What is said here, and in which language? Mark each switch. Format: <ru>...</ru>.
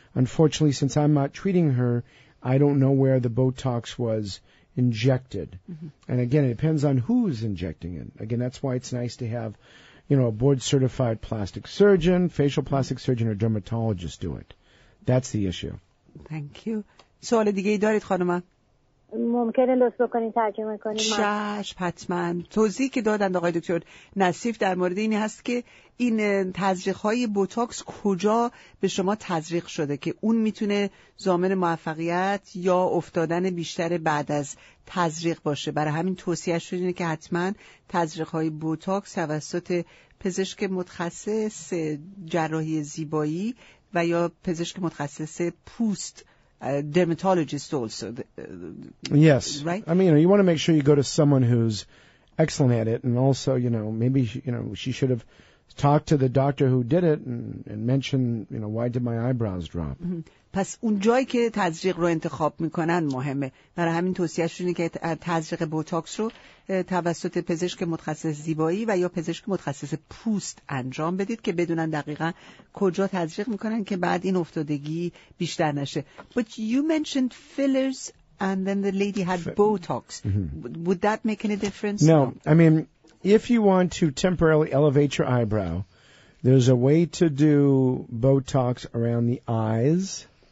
<en>Unfortunately, since I'm not treating her, I don't know where the Botox was injected. Mm-hmm. And again, it depends on who's injecting it. Again, that's why it's nice to have you know, a board-certified plastic surgeon, facial plastic surgeon, or dermatologist do it. That's the issue. Thank you.</en> <fa>سوال دیگه ای دارید خانم؟ ممکنه لطف کنید ترجمه کنید. چشم، حتما. توضیحی که دادند آقای دکتر نصیف در مورد این هست که این تزریق‌های بوتاکس کجا به شما تزریق شده که اون میتونه ضامن موفقیت یا افتادن بیشتر بعد از تزریق باشه. برای همین توصیه شده اینه که حتما تزریق‌های بوتاکس توسط پزشک متخصص جراحی زیبایی و یا پزشک متخصص پوست</fa> <en>dermatologist also. Yes. Right? I mean, you know, you want to make sure you go to someone who's excellent at it, and also, you know, maybe, you know, she should have talked to the doctor who did it and mentioned, you know, why did my eyebrows drop?</en> <fa>پس اون جایی که تزریق رو انتخاب میکنن مهمه. برای همین توصیه‌شون اینه که تزریق بوتاکس رو توسط پزشک متخصص زیبایی و یا پزشک متخصص پوست انجام بدید که بدونن دقیقاً کجا تزریق میکنن که بعد این افتادگی بیشتر نشه.</fa> <en>But you mentioned fillers and then the lady had botox. Would that make any difference? No. I mean, if you want to temporarily elevate your eyebrow, there's a way to do botox around the eyes.</en>